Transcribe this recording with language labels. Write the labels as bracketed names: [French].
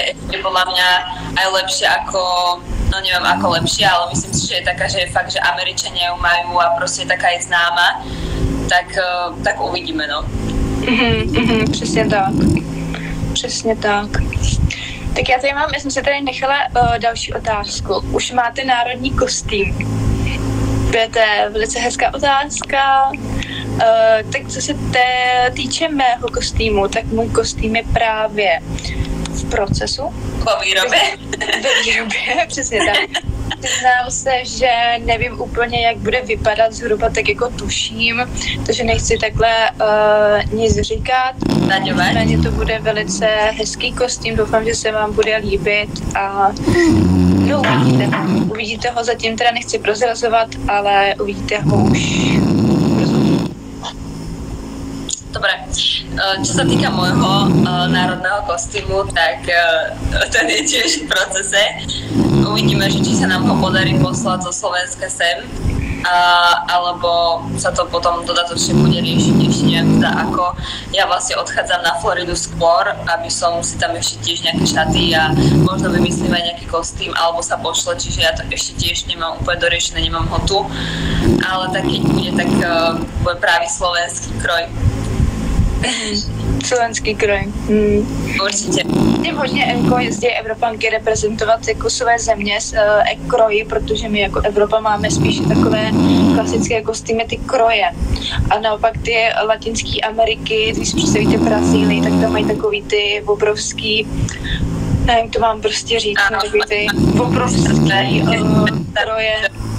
[Slovak] Že podľa mňa aj lepšie ako, no neviem ako lepšie, ale myslím si, že je taká, že je fakt, že Američania ju majú a proste je taká aj známa, tak, tak uvidíme, no. [Czech] Přesně tak. Tak já tady mám, já jsem se tady nechala další otázku. Už máte národní kostým. To je velice hezká otázka. Tak co se týče mého kostýmu, tak můj kostým je právě v procesu. Po výrobě. Ve výrobě, přesně tak. Přiznám se, že nevím úplně, jak bude vypadat zhruba, tak jako tuším, takže nechci takhle nic říkat. Nicméně to bude velice hezký kostým, doufám, že se vám bude líbit a no, uvidíte ho, zatím teda nechci prozrazovat, ale uvidíte ho už. [Slovak] Dobré, čo sa týka môjho národného kostýmu, tak ten je tiež v procese. Uvidíme, že či sa nám ho podarí poslať zo Slovenska sem, alebo sa to potom dodatočne bude riešiť, ešte neviem teda ako. Ja vlastne odchádzam na Floridu skôr, aby som si tam ešte tiež nejaké šaty a možno vymyslím aj nejaký kostým, alebo sa pošle, čiže ja to ešte tiež nemám úplne doriešené, nemám ho tu. Ale tak keď bude, tak bude pravý slovenský kroj. Slovenský kroj. [Czech] Určitě. Vidím hodně Enko jezdí Evropanky reprezentovat jako své země s kroji, protože my jako Evropa máme spíše takové klasické kostýmy, ty kroje. A naopak ty Latinské Ameriky, když si představíte Brazílii, tak tam mají takový ty obrovský, nevím, to mám prostě říct, ano, takový ty obrovský kroje.